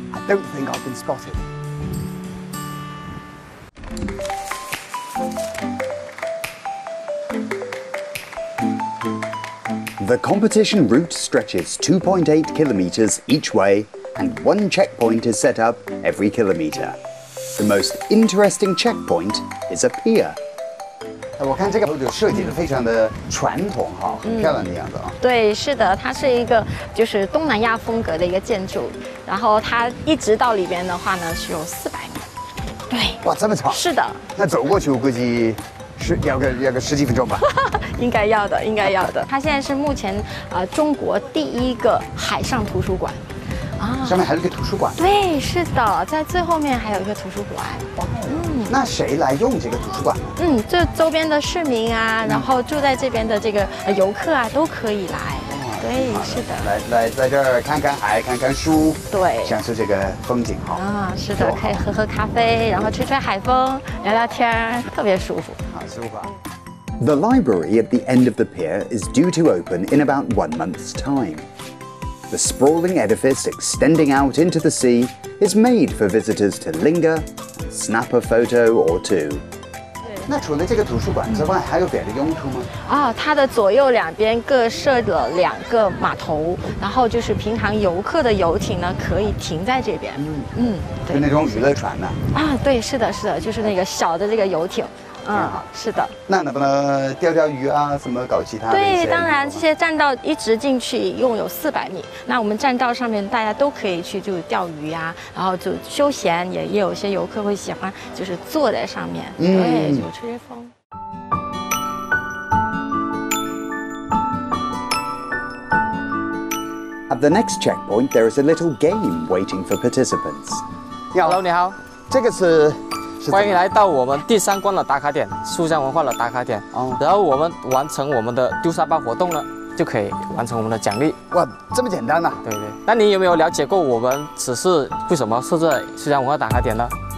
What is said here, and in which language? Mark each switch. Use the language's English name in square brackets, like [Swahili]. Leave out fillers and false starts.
[English] I don't think I can spot it. The competition route stretches 2.8 kilometers each way, and one checkpoint is set up every kilometer. The most interesting checkpoint is a pier. [Chinese] 我看这个就设计得非常的传统哈，很漂亮的样子啊。对，是的，它是一个就是东南亚风格的一个建筑，然后它一直到里边的话呢是有400米。对，哇，这么长。是的。那走过去我估计。是要个十几分钟吧，应该要的，应该要的。它现在是目前中国第一个海上图书馆，啊，上面还有一个图书馆。对，是的，在最后面还有一个图书馆。哇，那谁来用这个图书馆呢？这周边的市民啊，然后住在这边的这个游客啊，都可以来。对，是的，来在这儿看看海，看看书，对，享受这个风景哈。啊，是的，可以喝喝咖啡，然后吹吹海风，聊聊天，特别舒服。 [English] The library at the end of the pier is due to open in about 1 month's time. The sprawling edifice extending out into the sea is made for visitors to linger, snap a photo or two. [Chinese] 那除了这个图书馆之外，还有别的用途吗？它的左右两边各设了两个码头，然后就是平常游客的游艇呢可以停在这边。对，就那种娱乐船呢？对，是的，是的，就是那个小的这个游艇。是的。那能不能钓钓鱼啊？什么搞其他的？对，当然，这些栈道一直进去一共有400米。那我们栈道上面大家都可以去，就钓鱼啊，然后就休闲，也有些游客会喜欢，就是坐在上面，对，就吹吹风。 [English] At the next checkpoint, there is a little game waiting for participants. Hello, [Chinese] 你好，这个是。欢迎来到我们第三关的打卡点，书香文化的打卡点。然后我们完成我们的丢沙包活动呢，就可以完成我们的奖励。哇，这么简单啊。对对。那你有没有了解过我们此次为什么设置书香文化打卡点呢？